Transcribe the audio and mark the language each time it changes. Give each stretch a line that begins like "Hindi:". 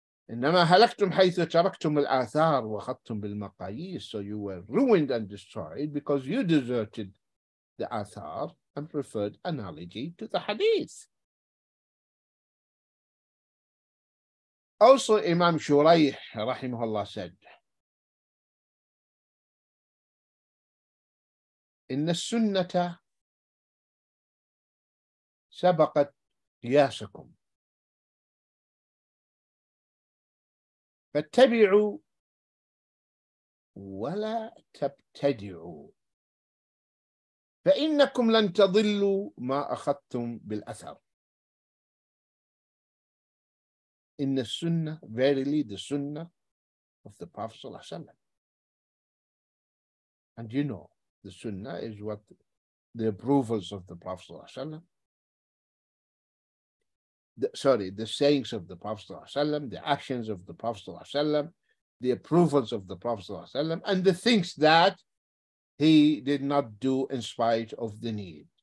Arabic: إنما هلكتم حيث تركتم الآثار وخطتم بالمقاييس.
English: So you were ruined and destroyed because you deserted the آثار and preferred analogy to the hadith. Also Imam Shuraih
Arabic: رحمه الله said, إن السنة سبقت قياسكم فاتبعوا ولا تبتدعوا فإنكم لن تضلوا ما أخذتم بالأثر. إن السنة
English: verily the sunnah of the Prophet صلى الله عليه وسلم. And you know the sunnah is what the approvals of the Prophet صلى الله عليه وسلم. The sayings of the Prophet ﷺ, the actions of the Prophet ﷺ, the approvals of the Prophet ﷺ, and the things that he did not do in spite of the need.